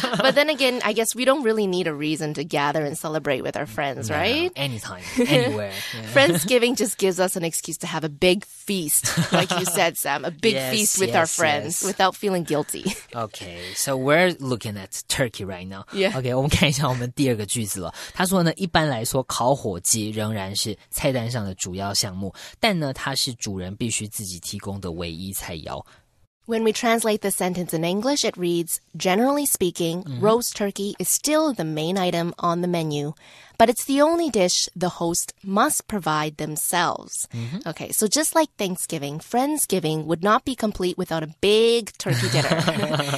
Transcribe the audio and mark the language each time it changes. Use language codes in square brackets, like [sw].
[en] But then again, I guess we don't really need a reason to gather and celebrate with our friends, no, right? No. Anytime, anywhere. Yeah. Friendsgiving just gives us an excuse to have a big feast, like you said, Sam, a big feast with our friends without feeling guilty. Okay, so we're looking at turkey right now. Yeah. [zh] Okay, 我们看一下我们第二个句子了。他说呢，一般来说，烤火鸡仍然是菜单上的主要项目，但呢，它是主人必须自己提供的唯一菜肴。 [en] When we translate the sentence in English, it reads, Generally speaking,、mm-hmm. roast turkey is still the main item on the menu, but it's the only dish the host must provide themselves.、Mm-hmm. Okay, so just like Thanksgiving, Friendsgiving would not be complete without a big turkey dinner.